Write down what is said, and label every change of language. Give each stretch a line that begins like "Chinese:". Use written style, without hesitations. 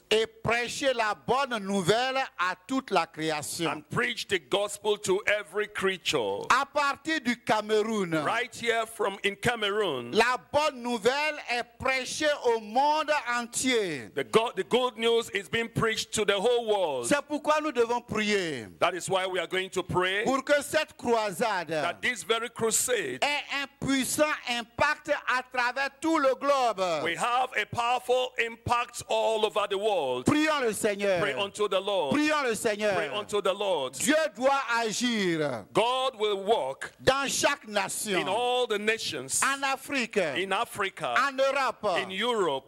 French: Et prêchez la bonne nouvelle à toute la création.
English: And preach the gospel to every creature.
French: À partir du Cameroun.
English: Right here from in Cameroon.
French: La bonne nouvelle est prêchée au monde entier.
English: The good news is being preached to the whole world.
French: C'est pourquoi nous devons prier.
English: That is why we are going to pray.
French: Pour que cette croisade.
English: That this very crusade.
French: Ait un puissant impact à travers tout le globe.
English: We have a powerful impact all over the world.
French: Prions le Seigneur.
English: Pray unto the Lord.
French: Prions le Seigneur.
English: Pray unto the Lord.
French: Dieu doit agir.
English: God will work.
French: Dans chaque nation.
English: In all the nations.
French: En Afrique.
English: In Africa.
French: En Europe.
English: In Europe.